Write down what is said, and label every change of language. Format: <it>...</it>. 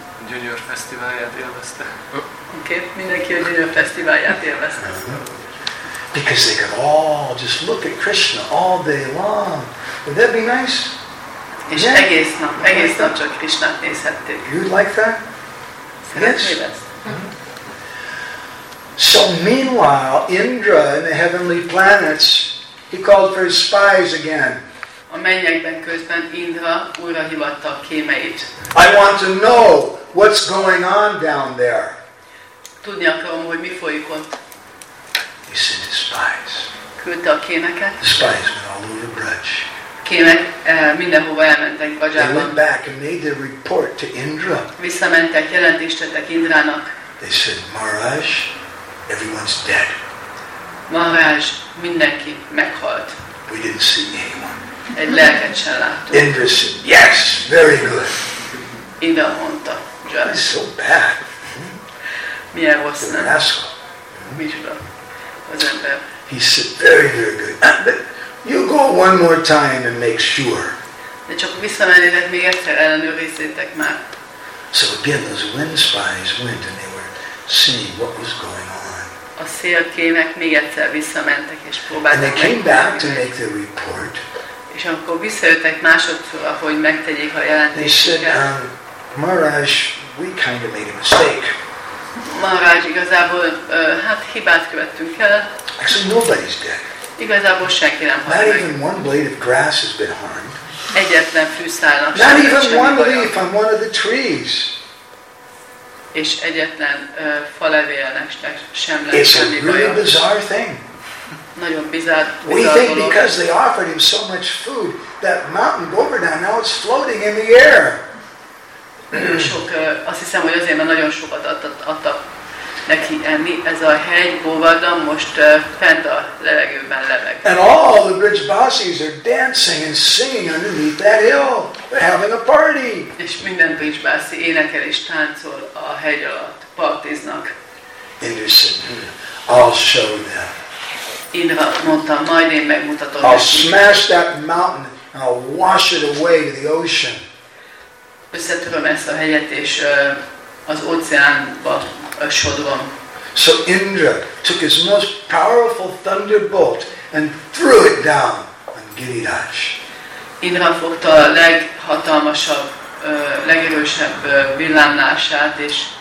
<hu>Gyönyör fesztiválját élvezte. Okay, mindenki a gyönyör fesztiválját élvezte.</hu> <en>Because they could all just look at Krishna all day long. Would that be nice?</en> <hu>És</hu> <en>yeah.</en> <hu>egész nap csak Krishnát nézhették.</hu> <en>You'd like that?</en> <hu>Szeretnél</hu> <en>yes.</en> <hu>Ezt?</hu> <en>So meanwhile, Indra in the heavenly planets, he called for his spies again.</en> <hu>A mennyekben közben Indra újra hívatta a kémeit.</hu> <en>I want to know what's going on down there.</en> <hu>Tudni akarom, hogy mi folyik ott.</hu> <en>He sent his spies.</en> <hu>Küldte a kémeket.</hu> <en>The spies went all over Braj.</en> <hu>Kémek mindenhova elmentek Brajában.</hu> <en>They went back and made their report to Indra.</en> <hu>Visszamentek, jelentést tettek Indrának.</hu> <en>They said, Maharaj, everyone's dead.</en> <hu>Maharaj, mindenki meghalt.</hu> <en>We didn't see anyone.</en> <hu>Egy lelket sem láttuk.</hu> <en>Indra said, yes, very good.</en> <hu>Indra mondta, Jaj.</hu> <en>It's so bad.</en> <hu>Milyen rossz nem?</hu> <en>The rascal.</en> <hu>Micsoda az ember.</hu> <en>He said, very, very good. But you go one more time and make sure.</en> <hu>De csak visszamennétek még egyszer, ellenőrizzétek már.</hu> <en>So again, those wind spies went and they were seeing what was going on.</en> <hu>A szélkének még egyszer visszamentek és próbáltak.</hu> <en>And they came back to make the report.</en> <hu>És amikor visszajöttek másodszor, hogy megtegyék a jelentéseket. Maharaj, igazából hát hibát követtünk el.</hu> <en>Actually, nobody's dead.</en> <hu>Igazából senki nem halt meg.</hu> <en>Not even one blade of grass has been harmed.</en> <hu>Egyetlen fűszálnak sem.</hu> <en>Not even one leaf on one of the trees.</en> <hu>És egyetlen falevélnek sem lett semmi baj.</hu> <en>It's a really bizarre thing.</en> <hu>Bizarr</hu> <en>we think because they offered him so much food, that mountain Govardhan now it's floating in the air.</en> <hu>Azt hiszem, hogy azért, mert nagyon sokat adtak neki enni, ez a hegy Govardhan most fent a levegőben leveg.</hu> <en>And all the Braj Basis are dancing and singing underneath that hill. They're having a party.</en> <hu>És minden Braj Basi énekel és táncol a hegy alatt, partiznak.</hu> <en>Indra said, I'll show them.</en> <hu>Indra mondta, majd én megmutatom.</hu> <en>I'll smash that mountain and I'll wash it away to the ocean.</en> <hu>Összetöröm ezt a hegyet és az óceánba sodrom.</hu> <en>So Indra took his most powerful thunderbolt and threw it down on Giriraj.</en> <hu>Indra fogta a leghatalmasabb, legerősebb villámlását és</hu>